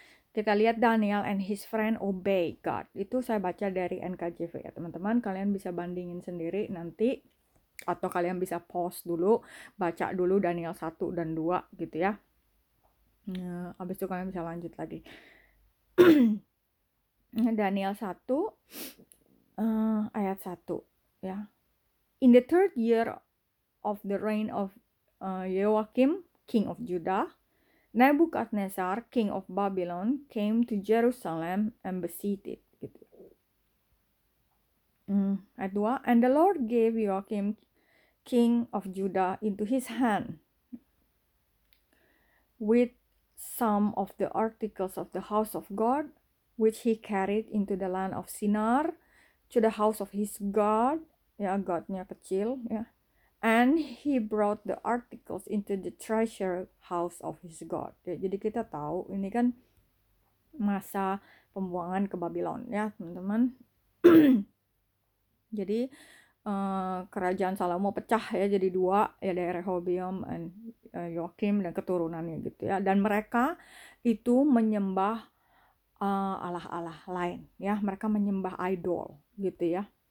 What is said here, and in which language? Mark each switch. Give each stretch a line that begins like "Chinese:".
Indonesian: Kita lihat
English: Daniel and his friend obey God.
Indonesian: Itu saya baca dari NKJV ya, teman-teman. Kalian bisa bandingin sendiri nanti atau kalian bisa pause dulu, baca dulu Daniel 1 dan 2 gitu ya. Nah, abis itu kalian bisa lanjut lagi. Daniel 1 ayat 1 ya.
English: In the third year of the reign of Joachim, king of Judah, Nebuchadnezzar, king of Babylon, came to Jerusalem and besieged it. Gitu. Ayat 2, and the Lord gave Joachim, king of Judah, into his hand with some of the articles of the house of God, which he carried into the land of Sinar, to the house of his God,
Indonesian: ya, God-nya kecil, ya,
English: and he brought the articles into the treasure house of his God.
Indonesian: Ya, jadi kita tahu ini kan masa pembuangan ke Babylon, ya, teman-teman. Jadi kerajaan Salomo pecah ya jadi dua ya, dari Rehobeam and Joachim dan keturunannya gitu ya, dan mereka itu menyembah allah-allah lain ya, mereka menyembah idol gitu ya.